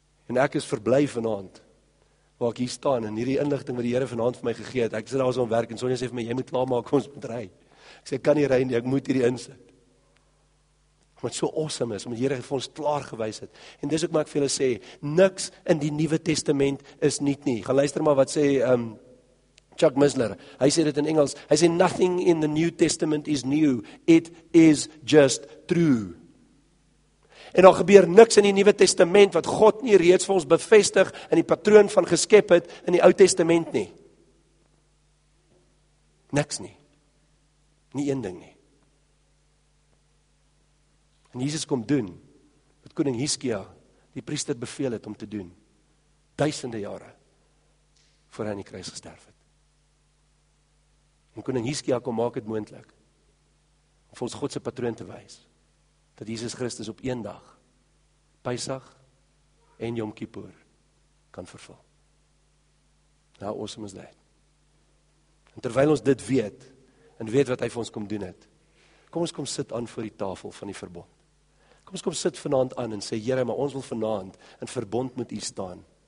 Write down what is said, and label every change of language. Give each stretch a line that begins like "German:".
Afrikaans: En ek is verblyf vanaand, waar ek hier staan, en hierdie inligting wat die Here vanaand vir my gegee het, ek sit daar so om werk, en Sonja sê vir my, jy moet klaar maak, ons moet ry. Ek sê, ek kan nie ry nie, ek moet hierdie insit. Wat so awesome is, omdat die Here vir ons klaar gewys het. En dis ook maar ek vir julle sê, niks in die Nuwe Testament is niet nie. Gaan luister maar wat sê Chuck Missler. Hy sê dit in Engels.
English: Hy sê, nothing in the New Testament is new. It is just true.
Afrikaans: En daar gebeur niks in die Nuwe Testament wat God nie reeds vir ons bevestig in die patroon van geskep het in die Ou Testament nie. Niks nie. Nie een ding nie. En Jesus kom doen, wat koning Hizkia, die priester beveel het om te doen, duisende jare, voor hy aan die kruis gesterf het. En koning Hizkia kom maak het moontlik, om ons Godse patroon te wys, dat Jesus Christus op een dag, Pysag en Yom Kippur, kan vervul.
English: How awesome is that?
Afrikaans: En terwyl ons dit weet, en weet wat hy vir ons kom doen het, kom ons kom sit aan voor die tafel van die verbond. Kom ons kom sit vanaand aan en sê, Here, maar ons wil vanaand in verbond met U staan.